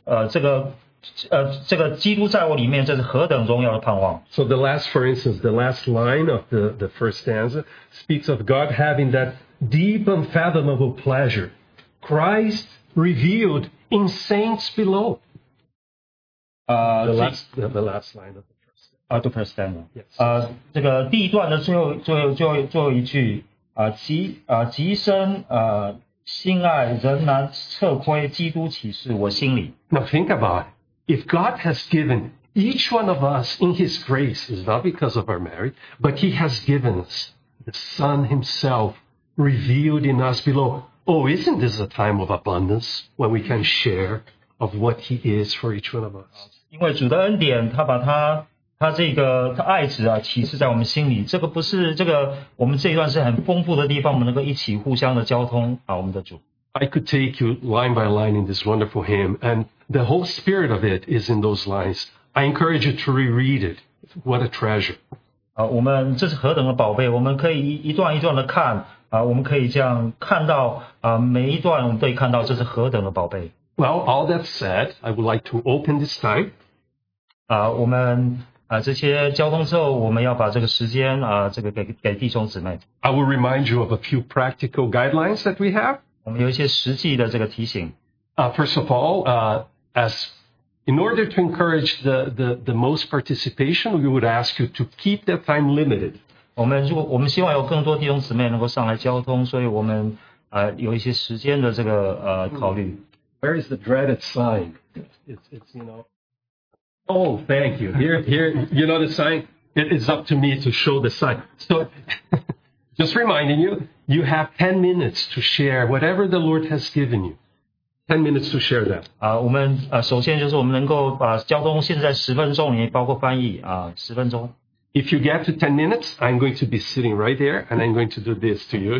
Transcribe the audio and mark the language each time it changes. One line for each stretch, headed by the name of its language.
Chinese: 这个基督在我里面，这是何等荣耀的盼望。
English: So the last, for instance, the last line of the first stanza speaks of God having that deep unfathomable pleasure. Christ revealed in saints below. The last line of The first stanza. Yes.
Chinese: 这个第一段的最后一句极深心爱仍难测窥基督启示我心里。
English: Now think about it. If God has given each one of us in His grace, it's not because of our merit, but He has given us the Son Himself revealed in us below. Oh, isn't this a time of abundance when we can share of what He is for each one of us?
Chinese: 因为主的恩典，他把他他这个他爱子啊，启示在我们心里。这个不是这个，我们这一段是很丰富的地方，我们能够一起互相的交通啊，我们的主。
English: I could take you line by line in this wonderful hymn, and the whole spirit of it is in those lines. I encourage you to reread it. What a treasure!
Chinese: 我们这是何等的宝贝！我们可以一段一段的看我们可以这样看到每一段我们都可以看到这是何等的宝贝。
English: Well, all that said, I would like to open this time.
Chinese: 我们。这些交通之后，我们要把这个时间这个给弟兄姊妹。
English: I will remind you of a few practical guidelines that we have.
Chinese: 我们有一些实际的这个提醒。
English: First of all, as in order to encourage the most participation, we would ask you to keep that time limited.
Chinese: 我们希望有更多弟兄姊妹能够上来交通，所以我们有一些时间的这个考虑。
English: Where is the dreaded sign? It's you know. Oh, thank you. Here, you know the sign? It is up to me to show the sign. So, just reminding you, you have 10 minutes to share whatever the Lord has given you. 10 minutes to share that.
Chinese: 我们首先就是我们能够把交通限制在十分钟里面，包括翻译十分钟。
English: If you get to 10 minutes, I'm going to be sitting right there and I'm going to do this to you.